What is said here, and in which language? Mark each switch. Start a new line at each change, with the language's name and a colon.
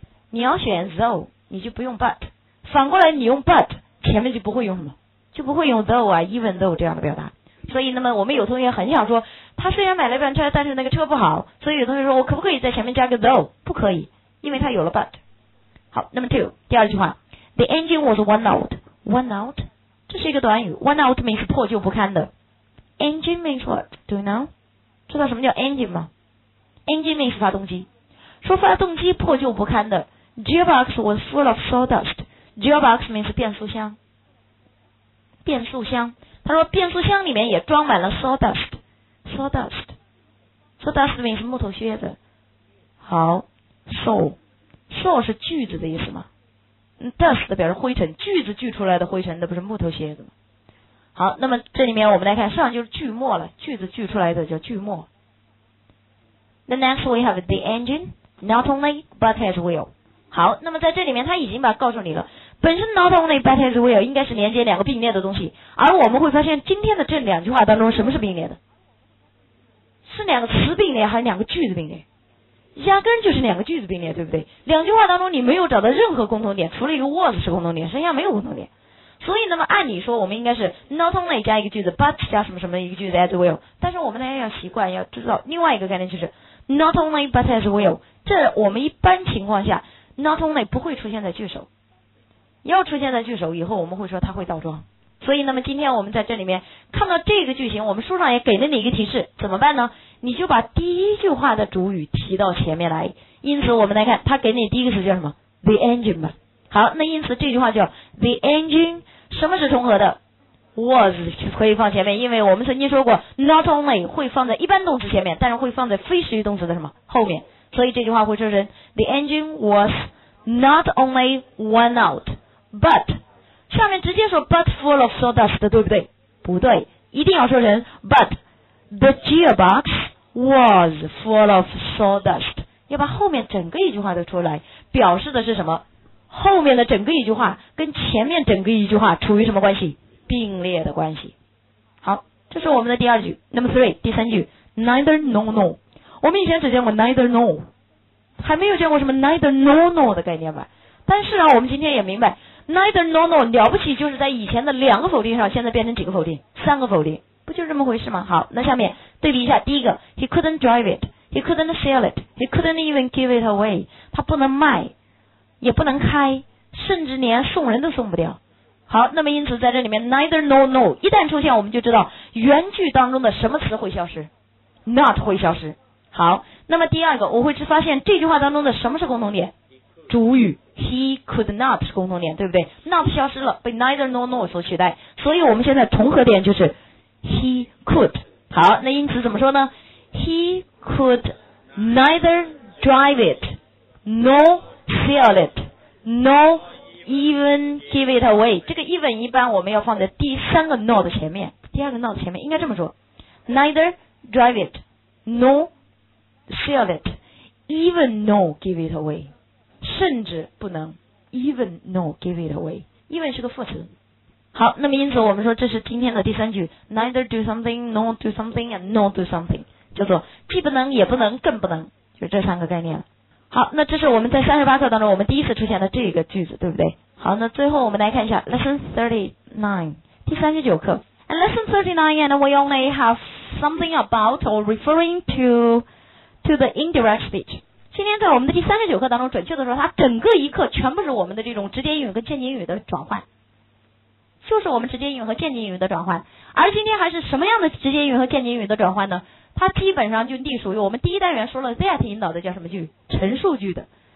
Chinese: 你要选 though， 你就不用 but； 反过来你用 but， 前面就不会用什么，就不会用 though 啊 even though 这样的表达。所以那么我们有同学很想说，他虽然买了一辆车，但是那个车不好，所以有同学说我可不可以在前面加个 though？不可以，因为他有了 but。好，那么
English: two
Chinese: 第二句话，
English: the engine was worn out。 worn out
Chinese: 这是一个短语，
English: worn out means
Chinese: 破旧不堪的。
English: engine means what? Do you know?
Chinese: 知道什么叫 engine 吗？engine means 发动机，说发动机破旧不堪的。
English: gearbox was full of sawdust。
Chinese: gearbox means 变速箱，变速箱。他说变速箱里面也装满了 sawdust。
English: sawdust sawdust means
Chinese: 木头靴子。好， saw saw 是锯子的意思吗？ dust 表示灰尘，锯子锯出来的灰尘，那不是木头靴子吗？好，那么这里面我们来看，上就是锯末了，锯子锯出来的叫锯末。
English: The next we have the engine not only but as well。
Chinese: 好，那么在这里面他已经把告诉你了，本身 not only but as well 应该是连接两个并列的东西，而我们会发现今天的这两句话当中，什么是并列的？是两个词并列还是两个句子并列？压根就是两个句子并列，对不对？两句话当中你没有找到任何共同点，除了一个 was 是共同点，剩下没有共同点。所以那么按理说我们应该是 not only 加一个句子， but 加什么什么一个句子 as well。但是我们大家要习惯要知道另外一个概念，就是 not only but as well， 这我们一般情况下 not only 不会出现在句首，要出现在句首以后，我们会说它会倒装。所以那么今天我们在这里面看到这个句型，我们书上也给了你一个提示，怎么办呢？你就把第一句话的主语提到前面来。因此我们来看，它给你第一个词叫什么？ the engine 吧。好，那因此这句话叫 the engine 什么是重合的？ was 可以放前面，因为我们曾经说过 not only 会放在一般动词前面，但是会放在非实义动词的什么后面。所以这句话会说成
English: the engine was not only worn out but，
Chinese: 下面直接说
English: but full of sawdust，
Chinese: 对不对？不对，一定要说成
English: but the gearbox was full of sawdust，
Chinese: 要把后面整个一句话都出来，表示的是什么？后面的整个一句话跟前面整个一句话处于什么关系？并列的关系。好，这是我们的第二句。 number three 第三句， neither no no， 我们以前只见过 neither no， 还没有见过什么 neither no no 的概念吧。但是啊，我们今天也明白 neither no no 了不起就是在以前的两个否定上，现在变成几个否定？三个否定，不就这么回事吗？好，那下面对比一下。第一个，
English: he couldn't drive it， he couldn't sell it， he couldn't even give it away，
Chinese: 他不能卖也不能开，甚至连送人都送不掉。好，那么因此在这里面 neither no no 一旦出现，我们就知道原句当中的什么词会消失？ not 会消失。好，那么第二个，我会发现这句话当中的什么是共同点？主语 he could not 是共同点，对不对？not 消失了，被 neither nor no 所取代，所以我们现在重合点就是 he could。好，那因此怎么说呢？
English: he could neither drive it nor sell it nor even give it away。
Chinese: 这个
English: even
Chinese: 一般我们要放在第三个
English: nor
Chinese: 的前面，第二个
English: nor
Chinese: 的前面，应该这么说，
English: neither drive it nor sell it even nor give it away，
Chinese: 甚至不能
English: even no give it away， even
Chinese: 是个副词。好，那么因此我们说这是今天的第三句，
English: neither do something nor do something
Chinese: and nor do something， 叫做既不能也不能更不能，就是这三个概念。好，那这是我们在38课当中我们第一次出现的这个句子，对不对？好，那最后我们来看一下 lesson 39， 第39课。
English: and lesson 39 and we only have something about or referring to the indirect speech。
Chinese: 今天在我们的第39课当中，准确的说它整个一课全部是我们的这种直接英语跟间接英语的转换，就是我们直接英语和间接英语的转换。而今天还是什么样的直接英语和间接英语的转换呢？它基本上就隶属于我们第一单元说了 that 引导的叫什么句？陈述句的。